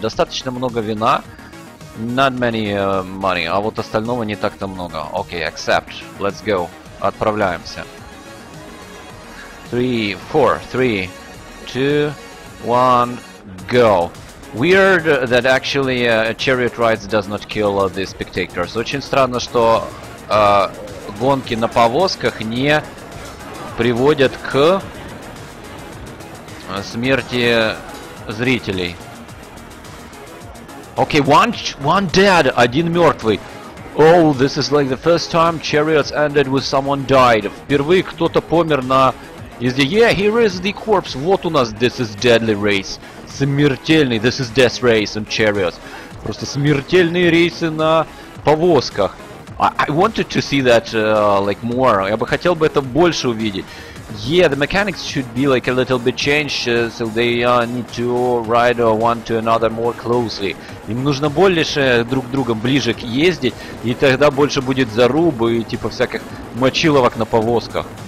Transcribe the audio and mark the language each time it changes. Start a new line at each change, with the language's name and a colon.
Russian: Достаточно много вина.
English: Not many money,
Russian: а вот остального не так-то много.
English: Okay, accept. Let's go.
Russian: Отправляемся.
English: 3, 4, 3, 2, 1, go. Weird that actually chariot rides does not kill the spectators.
Russian: Очень странно, что гонки на повозках не приводят к смерти зрителей.
English: Okay, one dead,
Russian: один мертвый.
English: Oh, this is like the first time chariots ended with someone died.
Russian: Впервые кто-то помер на езде.
English: Yeah, here is the corpse.
Russian: Вот у нас,
English: this is deadly race.
Russian: Смертельный,
English: this is death race on chariots.
Russian: Просто смертельные рейсы на повозках.
English: I wanted to see that like more.
Russian: Я бы хотел бы это больше увидеть.
English: Yeah, the mechanics should be like a little bit changed, so they need to ride one to another more closely.
Russian: Им нужно больше друг к другу ближе ездить, и тогда больше будет заруб и типа всяких мочиловок на повозках.